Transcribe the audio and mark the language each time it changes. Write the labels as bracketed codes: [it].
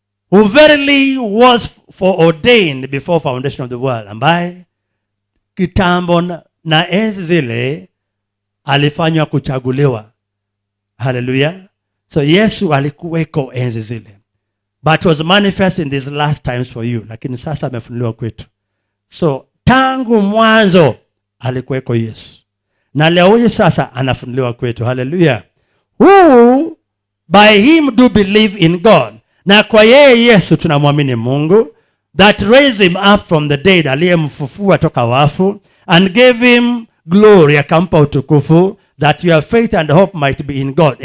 [en] Who verily was foreordained before foundation of the world. [sw] Ambaye kitambo na enzi zile alifanywa kuchaguliwa. Hallelujah. So Yesu alikuweko enzi zile. [en] But was manifest in these last times for you. [sw] Lakini sasa amefunuliwa kwetu. So tangu mwanzo alikuweko Yesu. Na leo huyu sasa anafunuliwa kwetu. Hallelujah. [en] Who by him do believe in God. [sw] Na kwa yeye Yesu tunamwamini Mungu. [en] That raised him up from the dead. [sw] Aliyemfufua toka wafu. [en] And gave him glory. [sw] Akampa utukufu. [en] That your faith and hope might be in God.